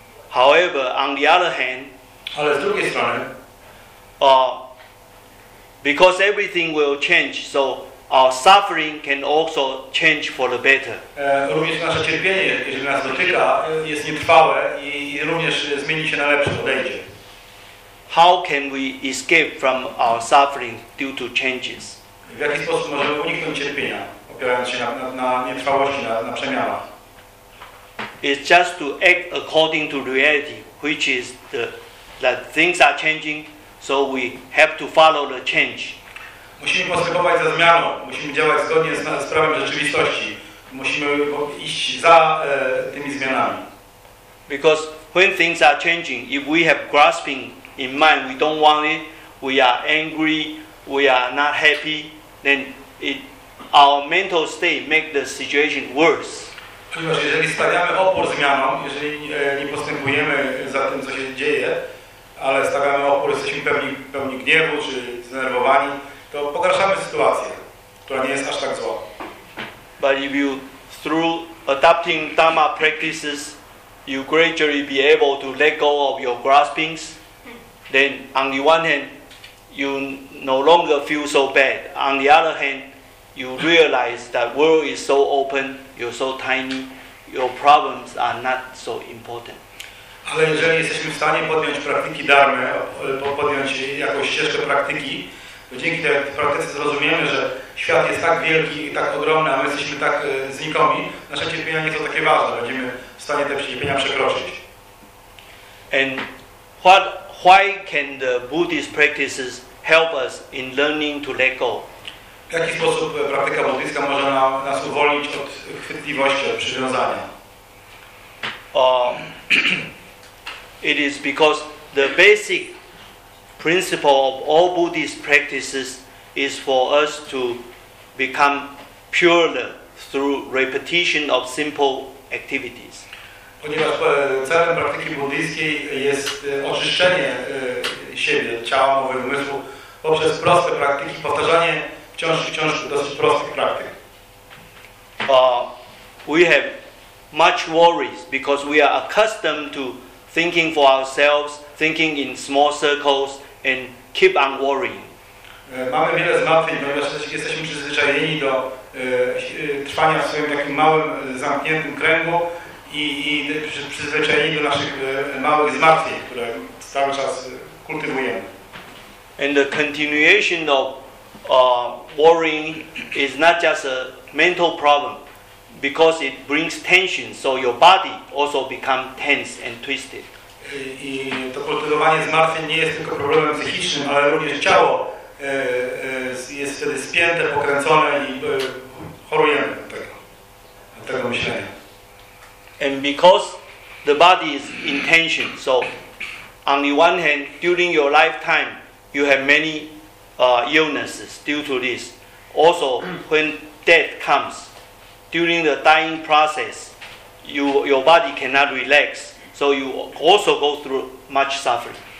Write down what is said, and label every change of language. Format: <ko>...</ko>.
<en>However, on the other hand,</en> <pl>ale z drugiej strony,</pl> <en>because everything will change, so our suffering can also change for the better.</en> <pl>Również nasze cierpienie, jeżeli nas dotyka, jest nietrwałe i również zmieni się na lepsze podejście.</pl> <en>How can we escape from our suffering due to changes?</en> <pl>W jaki sposób możemy uniknąć cierpienia, opierając się na nietrwałości, na przemianach?</pl> <en>It's just to act according to reality, which is that things are changing, so we have to follow the change.</en> <pl>Musimy postępować za zmianą, musimy działać zgodnie z prawem rzeczywistości, musimy iść za tymi zmianami.</pl> <en>Because when things are changing, if we have grasping in mind, we don't want it, we are angry, we are not happy, then our mental state makes the situation worse.</en> <pl>Ponieważ jeżeli stawiamy opór zmianom, jeżeli nie postępujemy za tym, co się dzieje, ale stawiamy opór, jesteśmy pełni gniewu czy zdenerwowani, to pogarszamy sytuację, która nie jest aż tak zła.</pl> <en>But if you, through adopting Dhamma practices, you gradually be able to let go of your graspings, then on the one hand, you no longer feel so bad. On the other hand, you realize that world is so open, you're so tiny, your problems are not so important.</en> <pl>Ale jeżeli jesteśmy w stanie podjąć praktyki darmy, podjąć jakąś ścieżkę praktyki, to dzięki tej praktyce zrozumiemy, że świat jest tak wielki i tak ogromny, a my jesteśmy tak znikomi, nasze cierpienia nie są takie ważne, będziemy w stanie te cierpienia przekroczyć.</pl> <en>And why can the Buddhist practices help us in learning to let go?</en> <pl>W jaki sposób praktyka buddyjska może nas uwolnić od chwytliwości, od przywiązania?</pl> <en>It is because the basic principle of all Buddhist practices is for us to become purer through repetition of simple activities.</en> <pl>Ponieważ celem praktyki buddyjskiej jest oczyszczenie siebie, ciała, mowy, umysłu poprzez proste praktyki, powtarzanie wciąż dosyć prostych praktyk.</pl> <en>We have much worries because we are accustomed to thinking for ourselves, thinking in small circles, and keep on worrying.</en> <pl>Mamy wiele zmartwień, ponieważ jesteśmy przyzwyczajeni do trwania w swoim takim małym, zamkniętym kręgu i przyzwyczajeni do naszych małych zmartwień, które cały czas kultywujemy.</pl> <en>And the continuation of worrying is not just a mental problem, because it brings tension, so your body also becomes tense and twisted.</en> <pl>I to kultywowanie zmartwień nie jest tylko problemem psychicznym, ale również ciało jest wtedy spięte, pokręcone i chorujemy tego myślenia.</pl> <en>And because the body is in tension, so on the one hand, during your lifetime, you have many illnesses due to this. Also, when death comes, during the dying process, your body cannot relax, so you also go through much suffering.</en>